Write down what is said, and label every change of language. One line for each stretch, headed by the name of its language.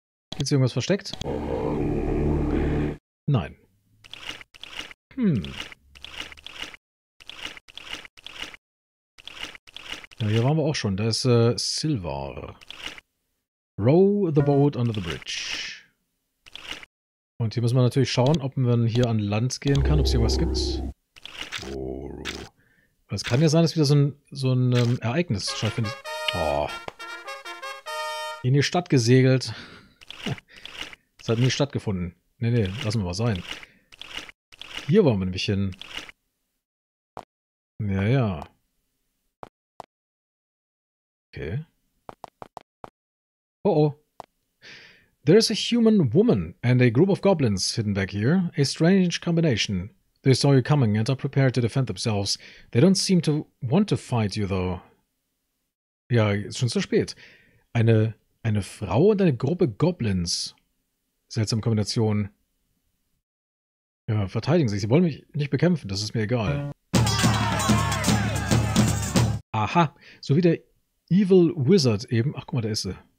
German: Gibt's hier irgendwas versteckt? Nein. Ja, hier waren wir auch schon. Da ist Silvar.
English: Row the boat under the bridge.
German: Und hier müssen wir natürlich schauen, ob man hier an Land gehen kann, ob es hier was gibt. Es kann ja sein, dass wieder so ein Ereignis stattfindet. Oh. In die Stadt gesegelt. Es hat nie stattgefunden. Nee, nee, lassen wir mal sein. Hier wollen wir nämlich hin. Ja. Okay. Oh.
English: There is a human woman and a group of goblins hidden back here. A strange combination. They saw you coming and are prepared to defend themselves. They don't seem to want to fight you, though.
German: Ja, ist schon zu spät. Eine Frau und eine Gruppe Goblins. Seltsame Kombination. Ja, verteidigen sich. Sie wollen mich nicht bekämpfen. Das ist mir egal. Aha, so wie der Evil Wizard eben. Ach, guck mal, da ist sie.